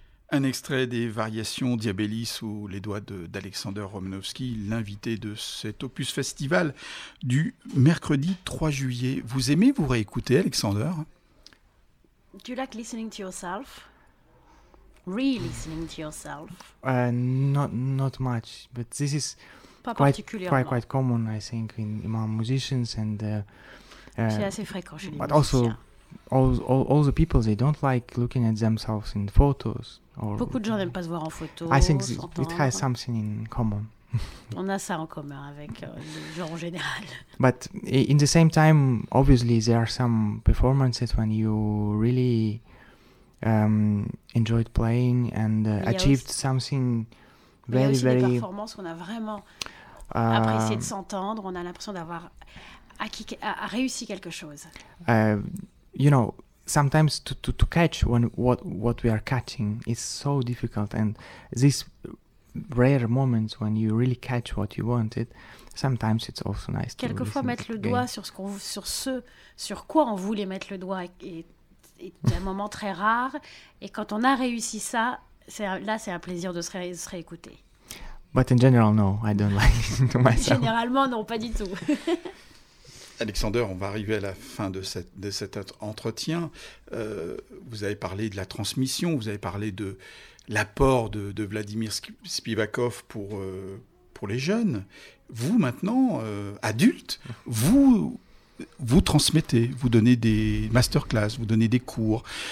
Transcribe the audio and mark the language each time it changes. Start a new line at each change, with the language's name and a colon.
French: Un extrait des variations Diabellis ou les doigts d'Alexander Romanowski, l'invité de cet Opus Festival du mercredi 3 juillet. Vous aimez vous réécouter, Alexander?
English: Do you like listening to yourself? Really listening to yourself? Not much, but this is quite common, I think, in among musicians and.
French: C'est assez fréquent chez les musiciens.
English: Also, all the people, they don't like looking at themselves in photos.
French: Beaucoup de gens n'aiment pas se voir en photo.
English: I think it has something in common.
French: On a ça en commun avec les gens en général.
English: But in the same time, obviously, there are some performances when you really enjoyed playing and achieved something very, very.
French: Il y a aussi des performances où on a vraiment apprécié de s'entendre. On a l'impression d'avoir a réussi quelque chose.
English: You know, sometimes to catch when what we are catching is so difficult, and these rare moments when you really catch what you wanted, sometimes it's also nice.
French: Quelquefois, mettre le doigt sur quoi on voulait mettre le doigt est un moment très rare. Et quand on a réussi ça, c'est un plaisir de se réécouter.
English: But in general, no, I don't like it to myself.
French: Généralement, non, pas du tout. Alexander, on va arriver à la fin de cet entretien. Vous avez parlé de la transmission, vous avez parlé de l'apport de Vladimir Spivakov pour les jeunes. Vous, maintenant, adulte, vous transmettez, vous donnez des masterclass, vous donnez des cours.